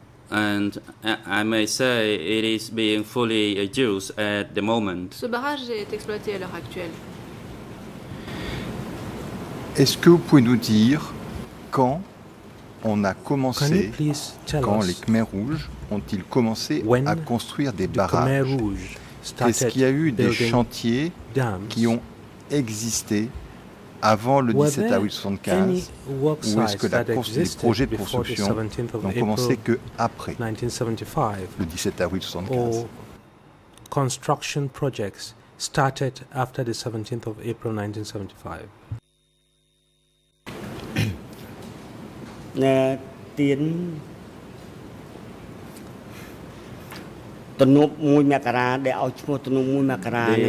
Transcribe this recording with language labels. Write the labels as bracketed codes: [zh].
[en] And I may say it is being fully used at the moment. [fr] Ce barrage est exploité à l'heure actuelle. Est-ce que vous pouvez nous dire quand on a commencé, quand les Khmers Rouges ont-ils commencé à construire des barrages? Est-ce qu'il y a eu des chantiers qui ont existé avant le 17 avril 1975 ou est-ce que la des projets de construction n'ont commencé qu'après le 17 avril 1975? [en] Construction projects started after the 17th of April 1975. tiến tonop muoi makara de ao chmo tonop muoi makara